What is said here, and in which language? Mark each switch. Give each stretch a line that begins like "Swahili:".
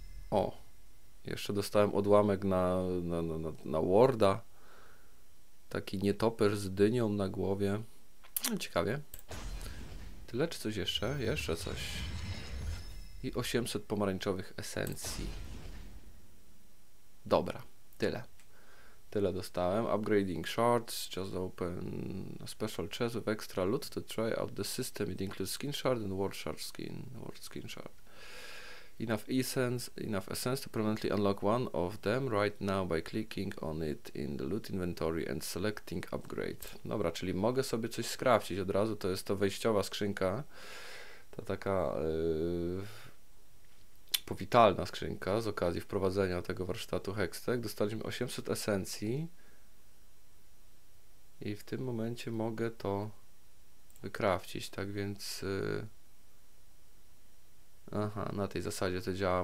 Polish: O, jeszcze dostałem odłamek na Warda. Taki nietoperz z dynią na głowie. No, ciekawie. Tyle czy coś jeszcze? Jeszcze coś. I 800 pomarańczowych esencji. Dobra, tyle. Tyle dostałem.
English: Upgrading shards, just open a special chest with extra loot to try out the system. It includes skin shard and ward shard skin. Ward skin shard. Enough essence to permanently unlock one of them right now by clicking on it in the loot inventory and selecting upgrade.
Polish: Dobra, czyli mogę sobie coś skraftić od razu. To jest to wejściowa skrzynka. To taka powitalna skrzynka z okazji wprowadzenia tego warsztatu Hextech. Dostaliśmy 800 esencji i w tym momencie mogę to wykraftić, tak więc aha, na tej zasadzie to działa.